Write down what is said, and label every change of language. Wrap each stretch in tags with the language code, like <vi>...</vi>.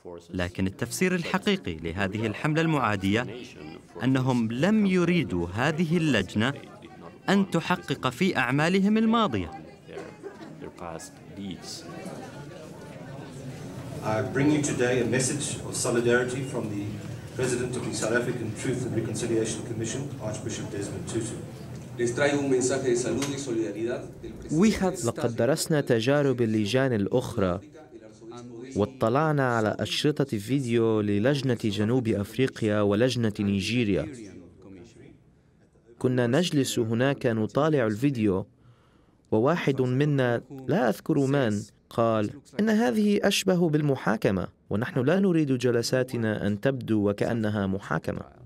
<ar>لكن التفسير الحقيقي لهذه الحملة المعادية أنهم لم يريدوا هذه اللجنة أن تحقق في أعمالهم الماضية.</ar> <en>I bring you today a message of solidarity from the President of the South African Truth and Reconciliation Commission, Archbishop Desmond Tutu.</en> <ar>لقد درسنا تجارب اللجان الأخرى واطلعنا على أشرطة فيديو للجنة جنوب أفريقيا ولجنة نيجيريا. كنا نجلس هناك نطالع الفيديو، وواحد منا لا أذكر من قال إن هذه أشبه بالمحاكمة، ونحن لا نريد جلساتنا أن تبدو وكأنها محاكمة.</ar>